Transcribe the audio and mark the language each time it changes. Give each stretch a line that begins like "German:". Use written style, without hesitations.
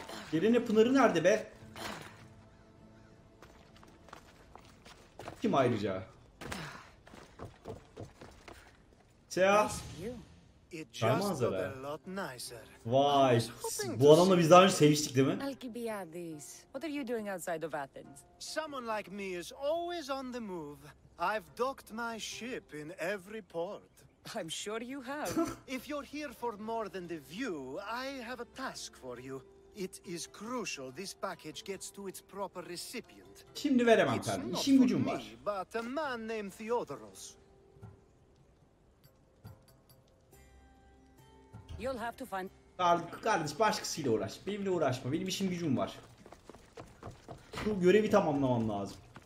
Turkish: Pirene Pınarı nerede be? Kim ayrıca? Seha.
English: It just got a lot nicer.
Turkish: Vay, bu adamla biz daha önce seviştik değil mi?
English: Alcibiades, what are you doing outside of Athens? Someone like me is always on the move. I've docked my ship in every port. I'm sure you have. If you're here for more than the view, I have a task for you. It is crucial this package gets to its proper recipient.
Turkish: Şimdi veremem efendim, işim gücüm var.
English: But a man named Theodoros. You'll have to find.
Turkish: Kardeş başkasıyla uğraş. Benimle uğraşma. Benim işim gücüm var. Şu görevi tamamlamam lazım.